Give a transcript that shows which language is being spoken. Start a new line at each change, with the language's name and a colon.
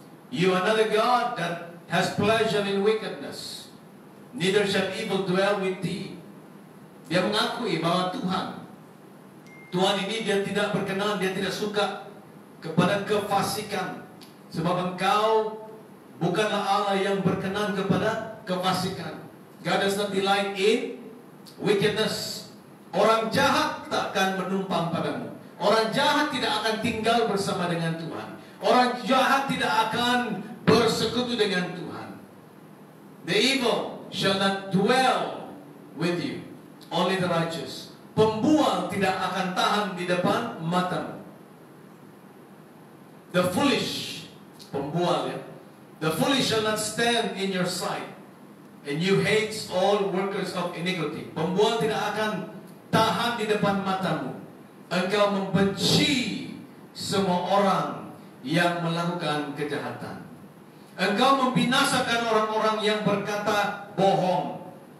English: You are not a God that has pleasure in wickedness. Neither shall evil dwell with thee.
Indonesian: Dia mengakui bahwa Tuhan, Tuhan ini dia tidak berkenan, dia tidak suka kepada kefasikan. Sebab engkau bukanlah Allah yang berkenan kepada kefasikan.
English: God does not delight in wickedness.
Indonesian: Orang jahat takkan menumpang padamu. Orang jahat tidak akan tinggal bersama dengan Tuhan. Orang jahat tidak akan bersekutu dengan Tuhan.
English: The evil shall not dwell with you. Only the righteous.
Indonesian: Pembuang tidak akan tahan di depan matamu.
English: The foolish,
Indonesian: pembual ya.
English: The foolish shall not stand in your sight. And you hate all workers of iniquity.
Indonesian: Pembuang tidak akan tahan di depan matamu. Engkau membenci semua orang yang melakukan kejahatan. Engkau membinasakan orang-orang yang berkata bohong.